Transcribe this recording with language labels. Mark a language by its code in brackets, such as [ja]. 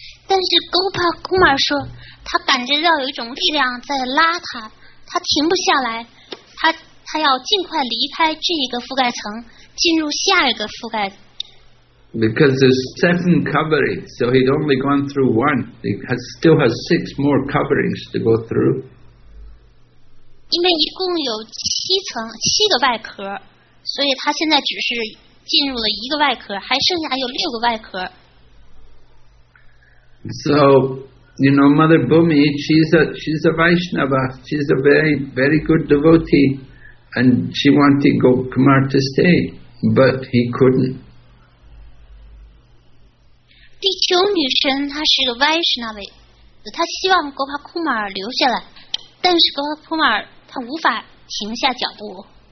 [zh] 但是 Gopal Kumar 说，他感觉到有一种力量在拉他，他停不下来，他要尽快离开这一个覆盖层，进入下一个覆盖。 [en] Because there's 7 coverings, so he'd only gone through one. He has, still has 6 more coverings to go through. [zh] 因为一共有7个外壳，所以他现在只是进入了一个外壳，还剩下有6个外壳。 [en] So, you know, Mother Bhumi, she's a Vaishnava. She's a very, very good devotee. And she wanted Gopkumar to stay, but he couldn't. [zh] 地球女神她是个 Vaishnava, 她希望 Gopkumar 留下来，但是 Gopkumar 她无法停下脚步。